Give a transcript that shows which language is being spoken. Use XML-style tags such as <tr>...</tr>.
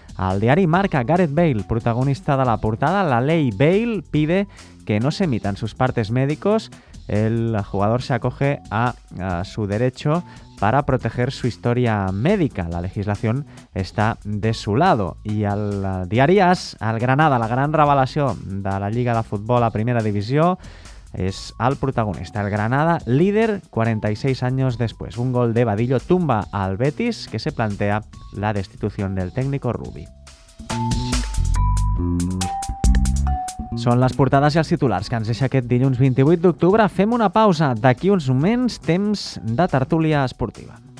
<ca>Al diari</ca> <es>Marca, Gareth Bale, protagonista de la portada. La ley Bale pide que no se emitan sus partes médicos. El jugador se acoge a su derecho para proteger su historia médica. La legislación está de su lado.</es> <ca>Y al diari AS, al Granada, la gran revelació de la Lliga de Futbol a Primera Divisió, és el protagonista.</ca> <es>El Granada, líder 46 años después. Un gol de Vadillo tumba al Betis, que se plantea la destitución del técnico Rubi.</es> <ca>Són les portades i els titulars que ens deixa aquest dilluns 28 d'octubre. Fem una pausa. D'aquí uns moments, temps de tertúlia esportiva.</ca>